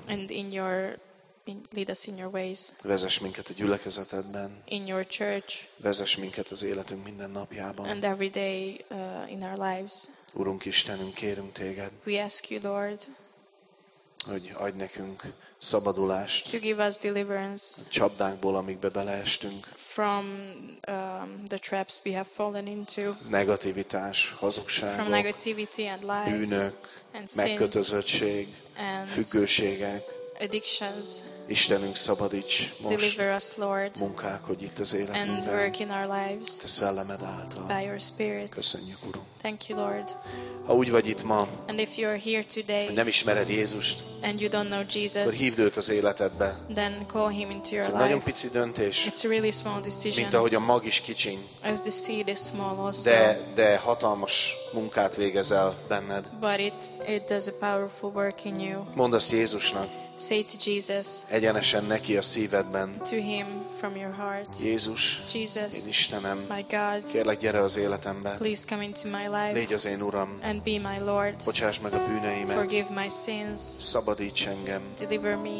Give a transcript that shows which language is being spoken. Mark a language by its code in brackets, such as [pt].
[en] And in your lead us in your ways. [hu] Vezess minket a gyülekezetedben. [en] In your church. [hu] Vezess minket az életünk minden napjában. [en] And every day in our lives. [hu] Urunk Istenünk, kérünk téged. [en] We ask you, Lord. [hu] Hogy adj nekünk szabadulást. [en] To give us deliverance. [hu] Csapdánkból, amikbe beleestünk. [en] From the traps we have fallen into. [hu] Negativitás, hazugságok. [en] From negativity and lies. [hu] Bűnök, [en] and [hu] megkötözöttség, [en] and [hu] függőségek. [en] Addictions. [hu] Istenünk, szabadíts most. [en] Deliver us, Lord. [hu] Munkálkodj itt az életünkben. [en] And work in our lives. [hu] Te szellemed által. [en] By your spirit. [hu] Köszönjük, Urunk. [en] Thank you, Lord. [hu] Ha úgy vagy itt ma, [en] and if you are here today, [hu] nem ismered Jézust, [en] and you don't know Jesus, [hu] akkor hívd őt az életedbe. [en] Then call him into your [hu] ez [en] life. [hu] Ez nagyon pici döntés. [en] It's a really small decision. [hu] Mint ahogy a mag is kicsin. [en] As the seed is small also. [hu] De hatalmas munkát végez el benned. [en] But it does a powerful work in you. [hu] Mondd azt Jézusnak. [en] Say to Jesus. [hu] Egyenesen neki a szívedben. [en] To him from your heart. [hu] Jézus. [en] Jesus. [hu] Én Istenem. [en] My God. [hu] Kérlek, gyere az életembe. [en] Please come into my life. [hu] Légy az én Uram. [en] And be my Lord. [hu] Bocsáss meg a bűneimet. [en] Forgive my sins. [hu] Szabadíts engem. [en] Deliver me.